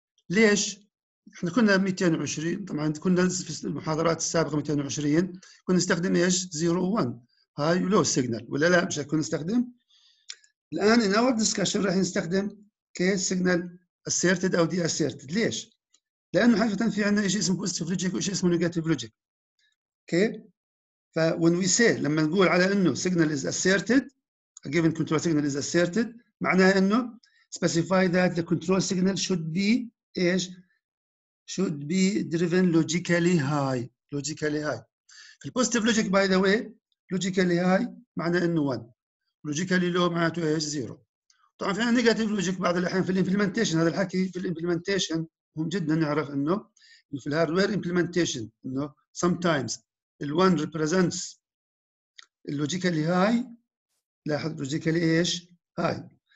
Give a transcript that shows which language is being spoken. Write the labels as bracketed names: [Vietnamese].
[Arabic] ليش احنا كنا 220 طبعا كنا في المحاضرات السابقه 220 كنا نستخدم ايش 0 و 1 هاي لو سيجنال ولا لا مش كنا نستخدم، الان [English] in our discussion [Arabic] راح نستخدم كي سيجنال asserted او deasserted. ليش؟ لانه حقيقه في عندنا شيء اسمه [English] positive logic وشيء اسمه negative logic okay, ف when we say [Arabic] لما نقول على انه [English] signal is asserted a given control signal is asserted [Arabic] معناها انه [English] specify that the control signal should be ايش should be driven logically high logically high. [Arabic] في البوزيتيف لوجيك باي ذا واي [English] logically high [Arabic] معناها انه 1 [English] logically low [Arabic] معناته ايش 0. طبعا في عندنا نيجاتيف لوجيك بعض الاحيان في الامبلمنتيشن، هذا الحكي في الامبلمنتيشن مهم جدا نعرف انه في الهاردوير امبلمنتيشن انه [English] sometimes ال1 represents [Arabic] اللوجيكالي هاي، لاحظ لوجيكالي ايش؟ هاي.